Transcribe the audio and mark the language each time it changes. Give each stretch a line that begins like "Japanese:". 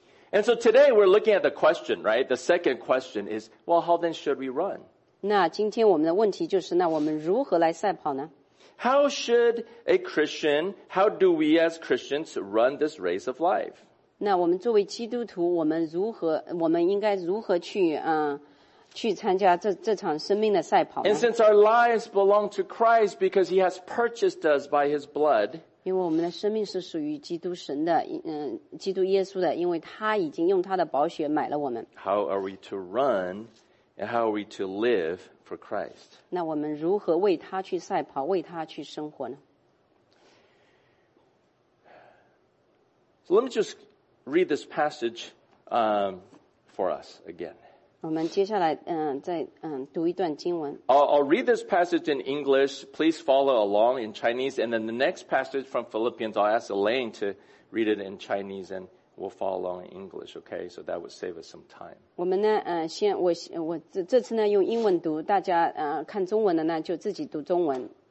English: And so today we're looking at the question, right? The second question is, well, how then should we run?
Chinese: 那今天我们的问题就是，那我们如何来赛跑呢？
English: How should a Christian, how do we as Christians run this race of life?
Chinese: 那我们作为基督徒，我们应该如何去参加这场生命的赛跑呢？
English: And since our lives belong to Christ because He has purchased us by His blood,
Chinese: 因为我们的生命是属于基督神的，基督耶稣的，因为他已经用他的宝血买了我们。
English: How are we to run and how are we to live for Christ?
Chinese: 那我们如何为他去赛跑，为他去生活呢？
English: So let me just read this passage, for us again.
Chinese: 我们接下来读一段经文。
English: I'll read this passage in English. Please follow along in Chinese. And then the next passage from Philippians, I'll ask Elaine to read it in Chinese and we'll follow along in English, okay? So that would save us some time.
Chinese: 我们呢先我这次呢用英文读，大家看中文的呢就自己读中文。